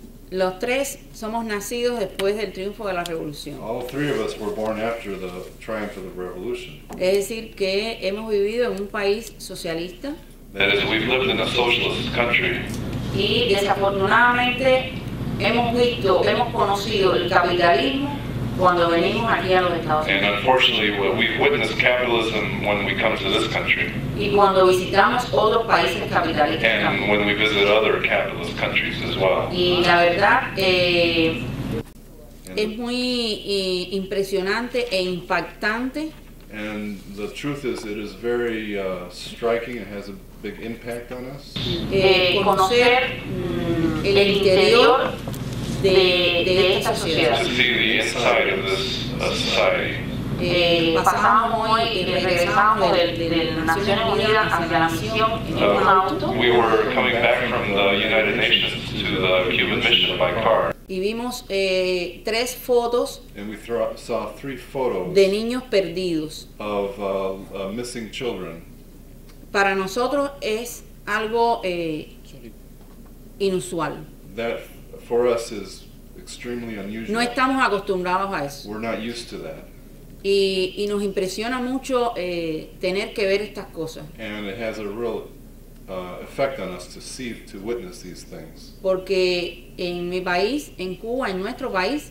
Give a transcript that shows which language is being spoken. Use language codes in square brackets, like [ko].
[es] los tres somos nacidos después del triunfo de la revolución. [en] All three of us were born after the triumph of the revolution. [es] Es decir, que hemos vivido en un país socialista. [en] That is, we've lived in a socialist country. [es] Y desafortunadamente hemos conocido el capitalismo cuando venimos aquí a los Estados Unidos. [en] And unfortunately, we've witnessed capitalism when we come to this country. [es] Y cuando visitamos otros países capitalistas. [en] And when we visit other capitalist countries as well. [es] Y la verdad, es muy impresionante e impactante. [en] And the truth is, it is very striking. It has a big impact on us. [es] Conocer el interior de esta sociedad. [en] To see the inside of this society. We were coming back from the United Nations to the Cuban mission by car. [es] Y vimos tres fotos. [en] And we saw three photos [es] de niños perdidos. [en] Of missing children. [es] Para nosotros es algo inusual. [en] That for us is extremely unusual. [es] No estamos acostumbrados a eso. [en] We're not used to that. [es] Y nos impresiona mucho tener que ver estas cosas. [en] And it has a real effect on us to see, to witness these things. [es] Porque en mi país, en Cuba, en nuestro país,